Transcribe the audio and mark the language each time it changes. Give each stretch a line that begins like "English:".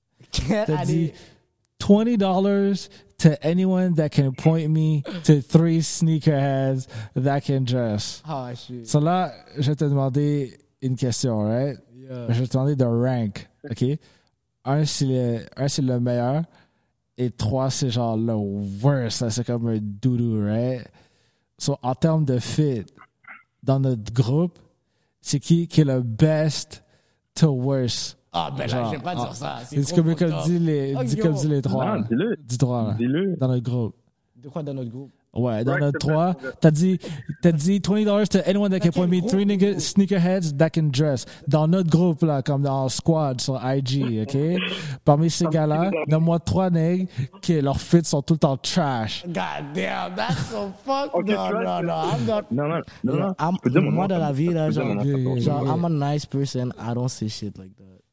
French: T'as dit
English: $20 to anyone that can point me to three sneakerheads that can dress. Ah, oh, shit.
French: So là, je vais te demander une question, right?
English: Yeah.
French: Je vais te demander de rank, OK? Un, c'est le meilleur. Et trois, c'est genre le worst. Là, c'est comme un doudou, right? So en termes de fit, dans notre groupe... C'est qui est le
English: best to worst?
French: Ah, ben là, genre, je vais pas dire ça. C'est comme que dis les trois. Non, dis-le. Dis trois. Dis-le. Dans notre groupe. De quoi dans notre groupe? Ouais, dans notre trois. T'as dit
English: $20 to anyone that can point me three nigga sneakerheads that can dress.
French: Dans notre groupe, là, comme dans squad sur IG, OK? Parmi ces gars-là, nomme-moi trois nègres qui leurs fits sont tout le temps trash.
English: God damn, that's so fucked up. Okay,
French: non. Moi, dans la vie, là, genre,
English: I'm a nice person. I don't say shit like that.